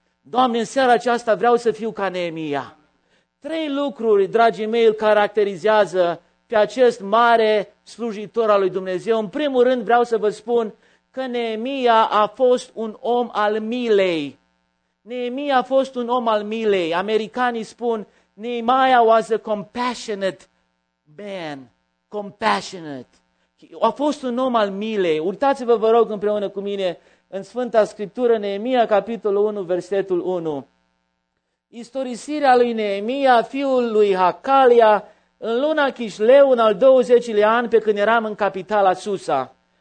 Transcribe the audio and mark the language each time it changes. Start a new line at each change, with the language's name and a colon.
Romanian: Doamne, în seara aceasta vreau să fiu ca Neemia. Trei lucruri, dragii mei, îl caracterizează pe acest mare slujitor al lui Dumnezeu. În primul rând vreau să vă spun că Neemia a fost un om al milei. Neemia a fost un om al milei. Americanii spun,
English: Nehemiah was a compassionate man.
Romanian: Compassionate. A fost un om al milei. Uitați-vă, vă rog, împreună cu mine, în Sfânta Scriptură, Neemia, capitolul 1, versetul 1. Istorisirea lui Neemia, fiul lui Hakalia, în luna Chișleu, în al 20-lea an, pe când eram în capitala Susa.